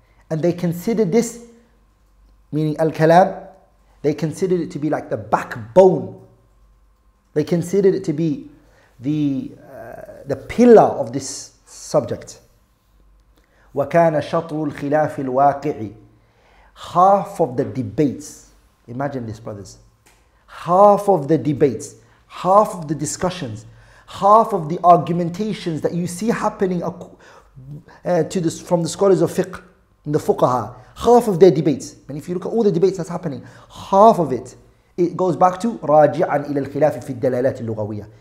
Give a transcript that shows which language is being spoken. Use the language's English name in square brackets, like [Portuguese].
[English] And they considered this, meaning al-kalam, they considered it to be like the backbone. They considered it to be the pillar of this subject. [Arabic] وكان شطر الخلاف الواقعي. [English] Half of the debates, imagine this brothers, half of the debates, half of the discussions, half of the argumentations that you see happening from the scholars of fiqh, in the fuqaha, half of their debates, and if you look at all the debates that's happening, half of it goes back to [Arabic] راجعا إلى الخلاف في الدلالات اللغوية.